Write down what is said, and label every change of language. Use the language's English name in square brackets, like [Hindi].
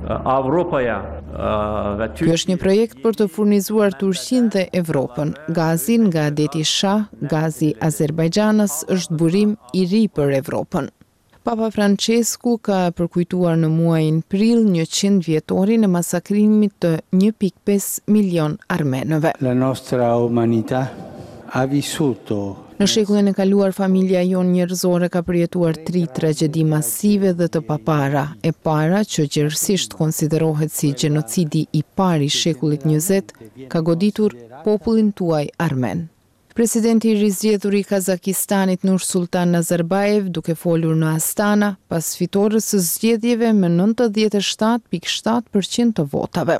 [Albanian] Ky është një projekt për të furnizuar Turqinë dhe Evropën. Gazin nga deti Shah, gazi Azerbajxhanës, është burim i ri për Evropën. Papa Francesku ka përkujtuar në muajin prill 100 vjetorin e masakrimit të 1.5 milion armenëve. [Italian] La nostra umanità ha vissuto. [Albanian] Në shekullin e kaluar, familja jonë njerëzore ka përjetuar tri tragjedi masive dhe të papara. E para, që gjerësisht konsiderohet si gjenocidi i pari shekullit 20, ka goditur popullin tuaj armen. Presidenti i rizgjedhur i Kazakistanit Nursultan Nazarbayev, duke folur në Astana, pas fitores së zgjedhjeve me 97.7% të votave.